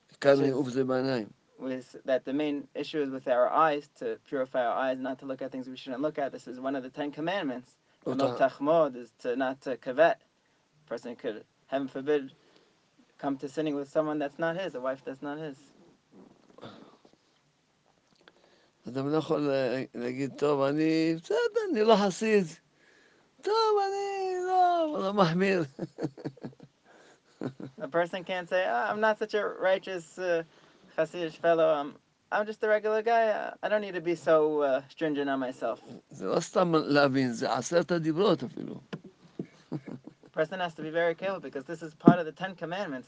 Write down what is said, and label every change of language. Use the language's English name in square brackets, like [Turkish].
[English] With that the main issue is with our eyes, to purify our eyes, not to look at things we shouldn't look at. This is one of the Ten Commandments. Is to not to covet. A person could, heaven forbid, come to sinning with someone that's not his, a wife that's not his. [Hebrew] אדם לא יכול להגיד, טוב, אני בסדר, אני לא חסיד. טוב, אני לא, לא מחמיר. [English] A person can't say, I'm not such a righteous חסידיש fellow. I'm just a regular guy. I don't need to be so stringent on myself. [Hebrew] זה לא סתם להבין, זה עשרת הדיברות אפילו. [English] A person has to be very careful because this is part of the Ten Commandments.